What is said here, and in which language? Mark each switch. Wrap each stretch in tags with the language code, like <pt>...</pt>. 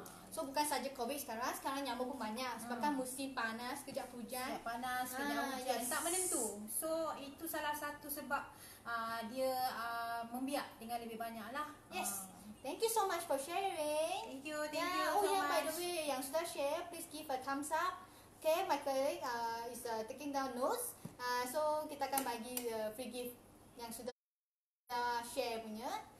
<ms>So bukan saja COVID sekarang. Sekarang nyamuk pun banyak. Sebab kan musim panas, kejap hujan. Kejap panas, kejap hujan. Tak menentu. So itu salah satu sebab dia membiak dengan lebih banyak lah.</ms> <en>Yes. Thank you so much for sharing. Thank you, thank you. Oh so yeah, By the way,</en> <ms>yang sudah share,</ms> <en>please give a thumbs up. Okay, my colleague is taking down notes.</en> <ms>So kita akan bagi free gift yang sudah share punya.</ms>